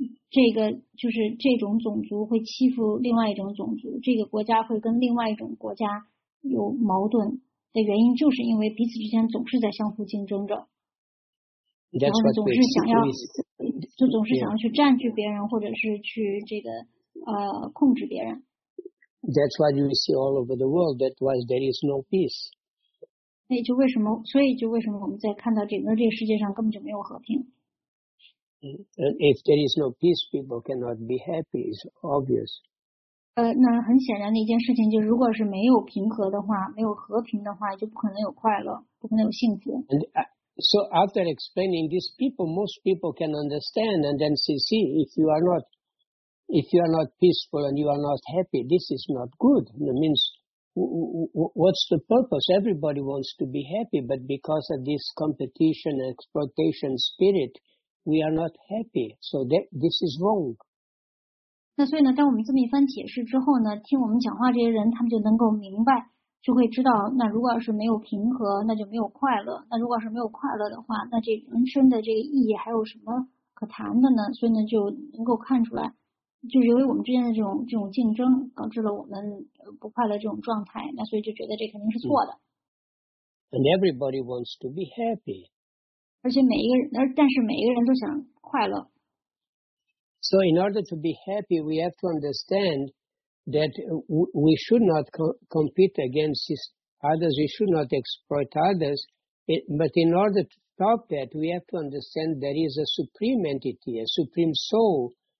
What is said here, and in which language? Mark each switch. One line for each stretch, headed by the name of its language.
Chinese: 这个就是这种种族会欺负另外一种种族，这个国家会跟另外一种国家有矛盾的原因，就是因为彼此之间总是在相互竞争着，然后总是想要，就总是想要去占据别人，或者是去这个控制别人。
English: That's why you see all over the world that was there is no peace.
Chinese: 那就为什么？所以就为什么我们在看到整个这个世界上根本就没有和平？
English: And if there is no peace, people cannot be happy. It's obvious.
Chinese: 那很显然的一件事情就是，如果是没有平和的话，没有和平的话，就不可能有快乐，不可能有幸福。
English: And so after explaining this, people, most people can understand, and then see if you are not. If you are not peaceful and you are not happy, this is not good. That means, what's the purpose? Everybody wants to be happy, but because of this competition and exploitation spirit, we are not happy. So this is wrong.
Chinese: 那所以呢，当我们这么一番解释之后呢，听我们讲话这些人，他们就能够明白，就会知道，那如果是没有平和，那就没有快乐。那如果是没有快乐的话，那这人生的这个意义还有什么可谈的呢？所以呢，就能够看出来。就是因为我们之间的这种竞争导致了我们不快乐这种状态，那所以就觉得这肯定是错的。
English: And everybody wants to be happy.
Chinese: 而且每一个人，但是每一个人都想快乐。
English: So in order to be happy, we have to understand that we should not compete against others, we should not exploit others. But in order to stop that, we have to understand there is a supreme entity, a supreme soul.